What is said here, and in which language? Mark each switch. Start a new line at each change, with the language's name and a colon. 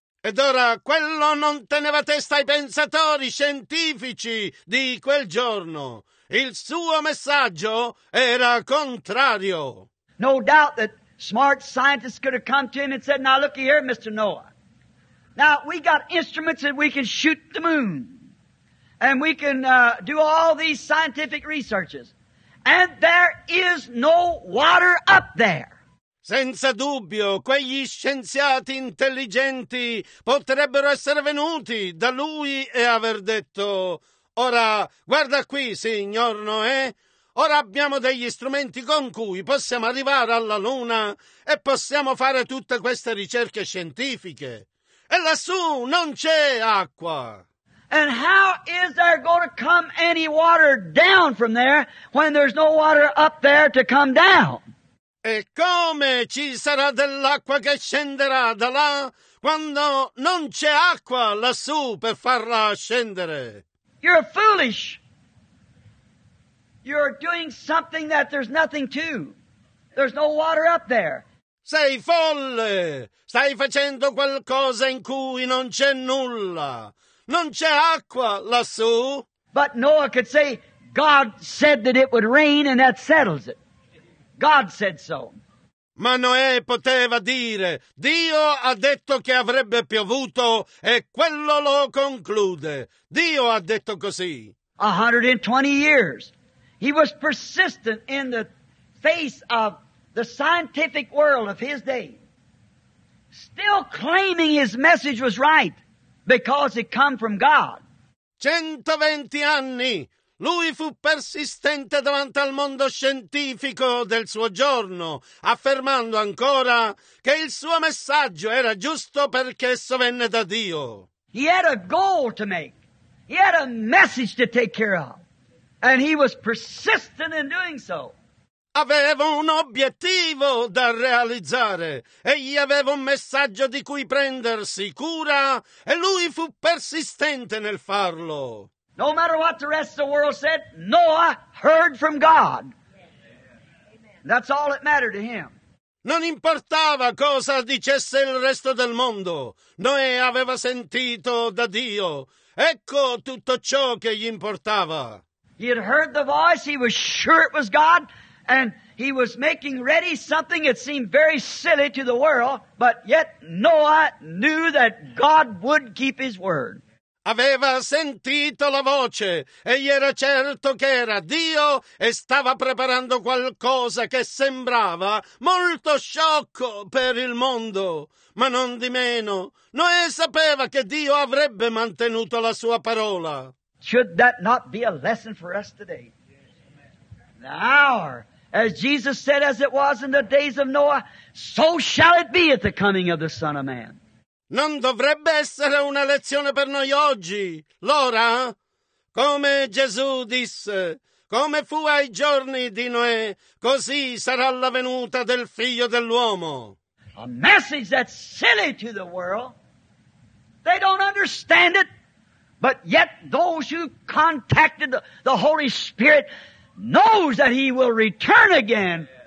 Italian: Ed ora quello non teneva testa ai pensatori scientifici di quel giorno. Il suo messaggio era contrario.
English: No doubt that smart scientists could have come to him and said, now look here, Mr. Noah. Now we got instruments that we can shoot the moon. And we can do all these scientific researches. And there is no water up there.
Italian: Senza dubbio, quegli scienziati intelligenti potrebbero essere venuti da lui e aver detto, ora, guarda qui, signor Noè, ora abbiamo degli strumenti con cui possiamo arrivare alla Luna e possiamo fare tutte queste ricerche scientifiche. E lassù non c'è acqua.
English: And how is there going to come any water down from there when there's no water up there to come down?
Italian: E come ci sarà dell'acqua che scenderà da là quando non c'è acqua lassù per farla scendere?
English: You're foolish. You're doing something that there's nothing to. There's no water up there.
Italian: Sei folle. Stai facendo qualcosa in cui non c'è nulla. Non c'è acqua lassù.
English: But Noah could say, God said that it would rain and that settles it. God said so.
Italian: Ma Noè poteva dire, Dio ha detto che avrebbe piovuto e quello lo conclude. Dio ha detto così.
English: 120 years. He was persistent in the face of the scientific world of his day. Still claiming his message was right because it come from God.
Italian: 120 anni. Lui fu persistente davanti al mondo scientifico del suo giorno, affermando ancora che il suo messaggio era giusto perché esso venne da Dio.
English: He had a goal to make. He had a message to take care of. And he was persistent in doing so.
Italian: Aveva un obiettivo da realizzare. Egli aveva un messaggio di cui prendersi cura e lui fu persistente nel farlo.
English: No matter what the rest of the world said, Noah heard from God. That's all that mattered to him.
Italian: Non importava cosa dicesse il resto del mondo. Noè aveva sentito da Dio. Ecco tutto ciò che gli importava.
English: He had heard the voice. He was sure it was God. And he was making ready something that seemed very silly to the world. But yet Noah knew that God would keep his word.
Italian: Aveva sentito la voce e gli era certo che era Dio e stava preparando qualcosa che sembrava molto sciocco per il mondo. Ma non di meno, Noè sapeva che Dio avrebbe mantenuto la sua parola.
English: Should that not be a lesson for us today? The hour, as Jesus said, as it was in the days of Noah, so shall it be at the coming of the Son of Man.
Italian: Non dovrebbe essere una lezione per noi oggi, l'ora? Come Gesù disse, come fu ai giorni di Noè, così sarà la venuta del Figlio dell'uomo.
English: A message that's silly to the world. They don't understand it. But yet those who contacted the Holy Spirit knows that he will return again